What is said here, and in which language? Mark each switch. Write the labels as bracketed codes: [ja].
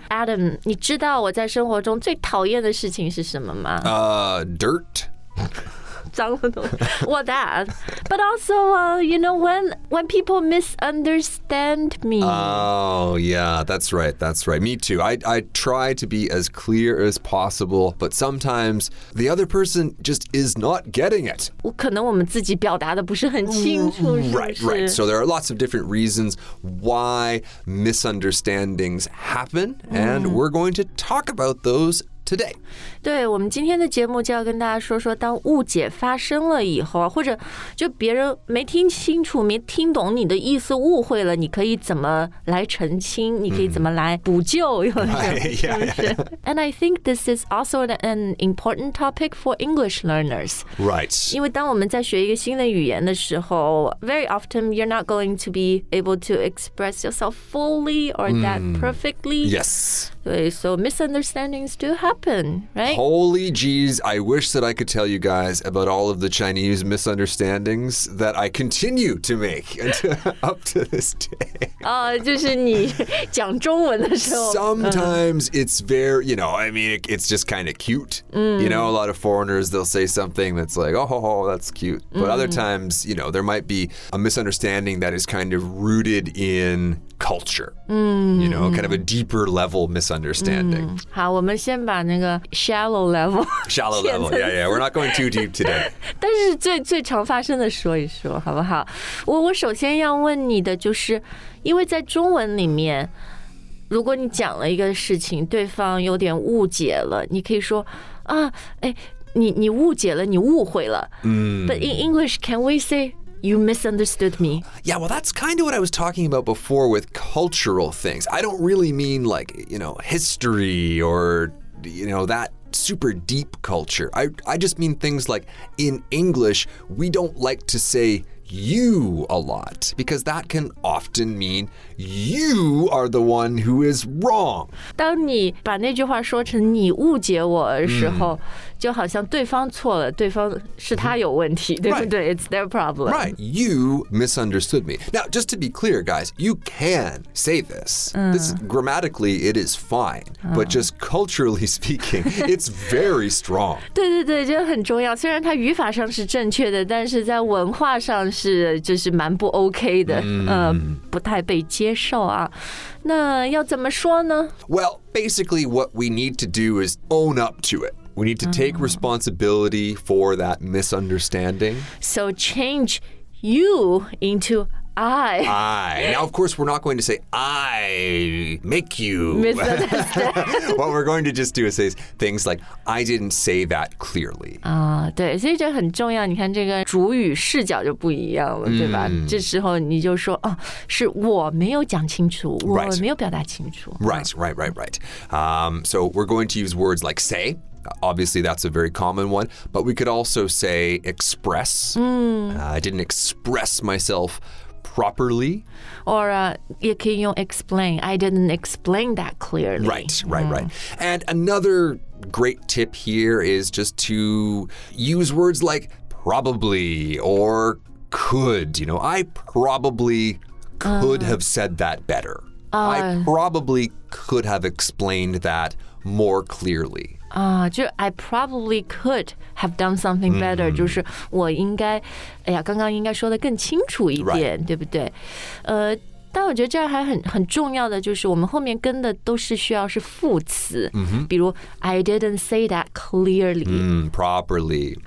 [zh] Adam, 你知道我在生活中最讨厌的事情是什么吗？ [en] Dirt. [zh] 脏的东西。 [en] Well, that. But also, you know, when people misunderstand me. Oh, yeah, that's right, that's right. Me too. I try to be as clear as possible, but sometimes the other person just is not getting it. [zh] 可能我们自己表达的不是很清楚，是不是？ [en] Right, right. So there are lots of different reasons why misunderstandings happen, and we're going to talk about those today. [zh] 对，我们今天的节目就要跟大家说说，当误解发生了以后，或者就别人没听清楚，没听懂你的意思，误会了，你可以怎么来澄清，你可以怎么来补救，是不是？ [en] And I think this is also an important topic for English learners. Right. [zh] 因为当我们在学一个新的语言的时候， [en] very often you're not going to be able to express yourself fully or that perfectly. Yes. [zh] 对， [en] so misunderstandings do happen, right? Holy geez, I wish that I could tell you guys about all of the Chinese misunderstandings that I continue to make up to this day. [zh] 就是你讲中文的时候。 [en] Sometimes it's very, you know, I mean, it's just kind of cute. You know, a lot of foreigners, they'll say something that's like, oh, that's cute. But other times, you know, there might be a misunderstanding that is kind of rooted in culture. You know, kind of a deeper level misunderstanding. [zh] 好，我们先把那个shallow level. [en] Shallow level, yeah, yeah. We're not going too deep today. [zh] 但是最常发生的说一说，好不好？我首先要问你的就是，因为在中文里面，如果你讲了一个事情，对方有点误解了，你可以说啊，哎，你误解了，你误会了。 [en] But in English, can we say you misunderstood me? Yeah, well, that's kind of what I was talking about before with cultural things. I don't really mean like, you know, history or, you know, that super deep culture. I just mean things like in English, we don't like to say you a lot because that can often mean you are the one who is wrong. [zh] 当你把那句话说成你误解我的时候，就好像对方错了，对方是他有问题，对不对？ [en] Right. It's their problem. Right, you misunderstood me. Now, just to be clear, guys, you can say this. This grammatically, it is fine. But just culturally speaking, it's very strong. [zh] 对对对，这很重要。虽然它语法上是正确的，但是在文化上是就是蛮不 OK 的，不太被接受啊。那要怎么说呢？ [en] Well, basically, what we need to do is own up to it. We need to take responsibility for that misunderstanding. So change you into I. I. Now, of course, we're not going to say I make you misunderstand. What we're going to just do is say things like, I didn't say that clearly. [zh] 对，所以这很重要。你看这个主语视角就不一样了，对吧？这时候你就说，哦，是我没有讲清楚，我没有表达清楚。 [en] Right, right, right, right. So we're going to use words like say. Obviously, that's a very common one, but we could also say express. I didn't express myself properly. Or you can explain. I didn't explain that clearly. Right, right, right. And another great tip here is just to use words like probably or could. You know, I probably could have said that better. I probably could have explained that more clearly. I probably could have done something better. [zh] 就是我应该，哎呀，刚刚应该说的更清楚一点， [en] right. [zh] 对不对？但我觉得这还很重要的就是我们后面跟的都是需要是副词， mm-hmm. [en] 比如 I didn't say that clearly, properly,